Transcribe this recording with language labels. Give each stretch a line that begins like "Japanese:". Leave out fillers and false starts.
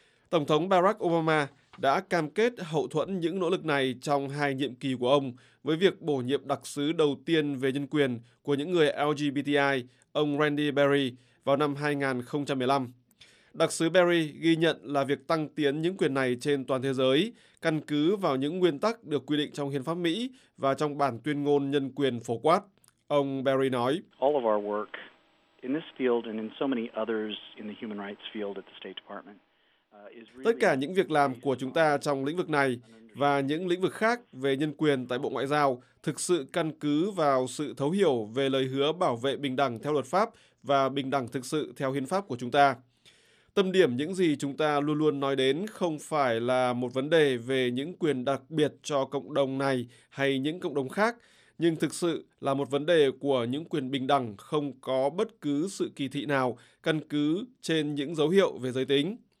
Vietnamese: Tổng thống Barack Obama đã cam kết hậu thuẫn những nỗ lực này trong hai nhiệm kỳ của ông với việc bổ nhiệm đặc sứ đầu tiên về nhân quyền của những người LGBTI, ông Randy Berry, vào năm 2015. Đặc sứ Berry ghi nhận là việc tăng tiến những quyền này trên toàn thế giới căn cứ vào những nguyên tắc được quy định trong Hiến pháp Mỹ và trong bản tuyên ngôn nhân quyền phổ quát. Ông Berry nói,
English: all of our work in this field and in so many others in the human rights field at the State Department.
Vietnamese: Tất cả những việc làm của chúng ta trong lĩnh vực này và những lĩnh vực khác về nhân quyền tại Bộ Ngoại giao thực sự căn cứ vào sự thấu hiểu về lời hứa bảo vệ bình đẳng theo luật pháp và bình đẳng thực sự theo hiến pháp của chúng ta. Tâm điểm những gì chúng ta luôn luôn nói đến không phải là một vấn đề về những quyền đặc biệt cho cộng đồng này hay những cộng đồng khác, nhưng thực sự là một vấn đề của những quyền bình đẳng không có bất cứ sự kỳ thị nào căn cứ trên những dấu hiệu về giới tính.